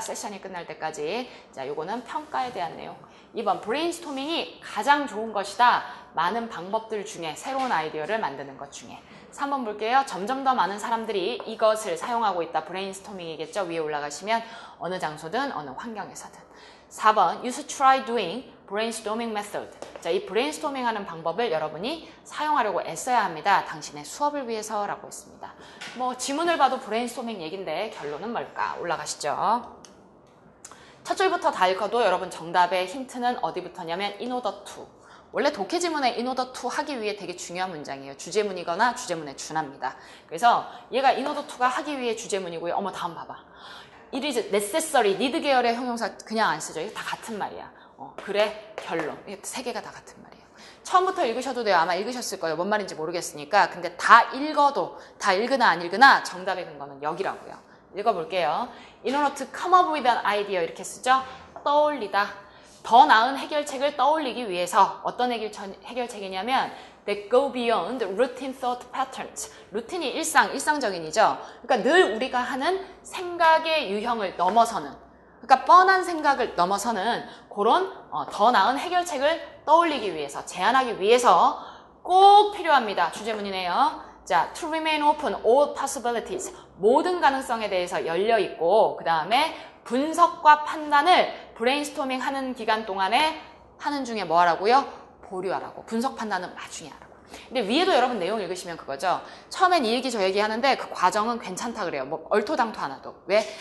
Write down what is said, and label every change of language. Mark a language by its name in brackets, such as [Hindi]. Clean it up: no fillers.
[Korean] 세션이 끝날 때까지. 자, 요거는 평가에 대한 내용. 2번 브레인스토밍이 가장 좋은 것이다. 많은 방법들 중에 새로운 아이디어를 만드는 것 중에. 3번 볼게요. 점점 더 많은 사람들이 이것을 사용하고 있다. 브레인스토밍이겠죠. 위에 올라가시면 어느 장소든 어느 환경에서든. [English] 4번 you should try doing brainstorming method. [Korean] 자, 이 브레인스토밍 하는 방법을 여러분이 사용하려고 애써야 합니다. 당신의 수업을 위해서라고 했습니다. 뭐 지문을 봐도 브레인스토밍 얘긴데 결론은 뭘까? 올라가시죠. 첫 줄부터 다 읽어도 여러분 정답의 힌트는 어디부터냐면 [English] in order to. [Korean] 원래 독해 지문에 [English] in order to [Korean] 하기 위해 되게 중요한 문장이에요. 주제문이거나 주제문에 준합니다. 그래서 얘가 [English] in order to [Korean] 가 하기 위해 주제문이고요. 어머 다음 봐봐. [English] It is necessary, [Korean] need 계열의 형용사 그냥 안 쓰죠. 이거 다 같은 말이야. 그래, 결론. 이게 세 개가 다 같은 말이에요. 처음부터 읽으셔도 돼요. 아마 읽으셨을 거예요. 뭔 말인지 모르겠으니까. 근데 다 읽어도, 다 읽으나 안 읽으나 정답의 근거는 여기라고요. 읽어볼게요. [English] In order to come up with an idea [Korean] 이렇게 쓰죠. 떠올리다. 더 나은 해결책을 떠올리기 위해서 어떤 해결책이냐면 [English] that go beyond routine thought patterns. [Korean] 루틴이 일상, 일상적인이죠. 그러니까 늘 우리가 하는 생각의 유형을 넘어서는 그러니까 뻔한 생각을 넘어서는 그런 더 나은 해결책을 떠올리기 위해서 제안하기 위해서 꼭 필요합니다. 주제문이네요. [English] 자, to remain open all possibilities. [Korean] 모든 가능성에 대해서 열려있고 그 다음에 분석과 판단을 브레인스토밍 하는 기간 동안에 하는 중에 뭐 하라고요? 보류하라고. 분석 판단은 나중에 하라고. 근데 위에도 여러분 내용 읽으시면 그거죠. 처음엔 이 얘기 저 얘기 하는데 그 과정은 괜찮다 그래요. 뭐 얼토당토 하나도. 왜?